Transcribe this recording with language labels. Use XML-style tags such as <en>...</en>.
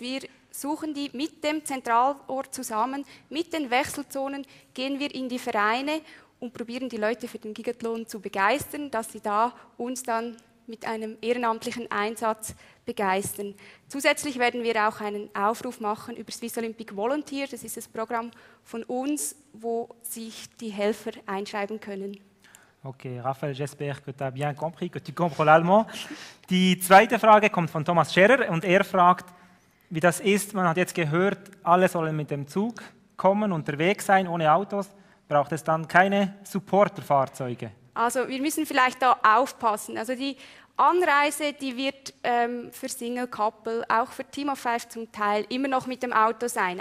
<de>Wir suchen die mit dem Zentralort zusammen, mit den Wechselzonen gehen wir in die Vereine und probieren die Leute für den Gigathlon zu begeistern, dass sie da uns dann mit einem ehrenamtlichen Einsatz begeistern. Zusätzlich werden wir auch einen Aufruf machen über Swiss Olympic Volunteer, das ist das Programm von uns, wo sich die Helfer einschreiben können.</de> <fr>Okay, Raphael, j'espère que tu as bien compris, que tu comprends l'allemand.</fr> <de>Die zweite Frage kommt von Thomas Scherer und er fragt, wie das ist, man hat jetzt gehört, alle sollen mit dem Zug kommen, unterwegs sein, ohne Autos, braucht es dann keine Supporterfahrzeuge? Also wir müssen vielleicht da aufpassen. Also die Anreise, die wird für Single Couple, auch für Team of Five zum Teil, immer noch mit dem Auto sein.</de>